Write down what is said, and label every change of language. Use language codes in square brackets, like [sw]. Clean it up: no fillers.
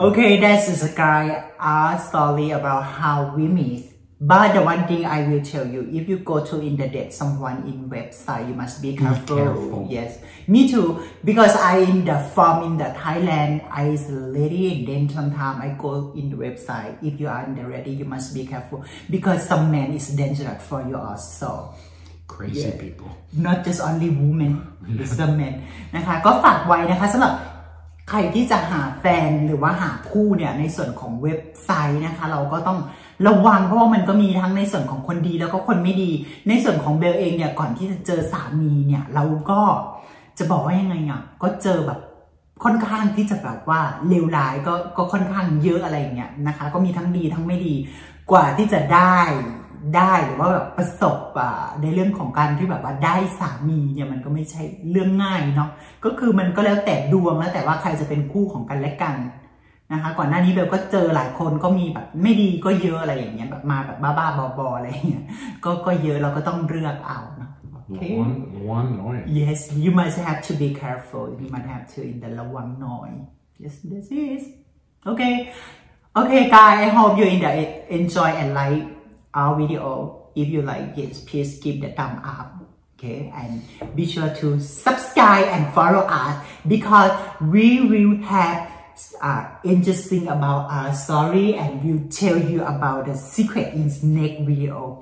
[en] Okay this is a guy our story about how we meet but the one thing I will tell you if you go to in the date someone in website you must be careful. Yes me too because I in the farm in the Thailand I is lady and then sometimes I go in the website if you are in the ready you must be careful because some man is dangerous for you also crazy yeah. people not just only women it's the men [th] นะคะก็ฝากไว้นะคะสำหรับใครที่จะหาแฟนหรือว่าหาคู่เนี่ยในส่วนของเว็บไซต์นะคะเราก็ต้องระวังเพราะว่ามันก็มีทั้งในส่วนของคนดีแล้วก็คนไม่ดีในส่วนของเบลเองเนี่ยก่อนที่จะเจอสามีเนี่ยเราก็จะบอกว่ายังไงอ่ะก็เจอแบบค่อนข้างที่จะแบบว่าเลวร้ายก็ค่อนข้างเยอะอะไรอย่างเงี้ยนะคะก็มีทั้งดีทั้งไม่ดีกว่าที่จะได้ หรือว่าแบบประสบในเรื่องของการที่แบบว่าได้สามีเนี่ยมันก็ไม่ใช่เรื่องง่ายเนาะก็คือมันก็แล้วแต่ดวงแล้วแต่ว่าใครจะเป็นคู่ของกันและกันนะคะก่อนหน้านี้เบลก็เจอหลายคนก็มีแบบไม่ดีก็เยอะอะไรอย่างเงี้ยแบบมาแบบบ้าๆบอๆอะไรเงี้ยก็เยอะเราก็ต้องเลือกเอาเนาะ [en] one noi. Yes, you must have to be careful. You might have to in the one noi. Yes, this is okay. Okay, guys, I hope you enjoy and like our video. If you like, yes, please give the thumb up. Okay, and be sure to subscribe and follow us because we will have interesting about our story and we'll tell you about the secret in next video.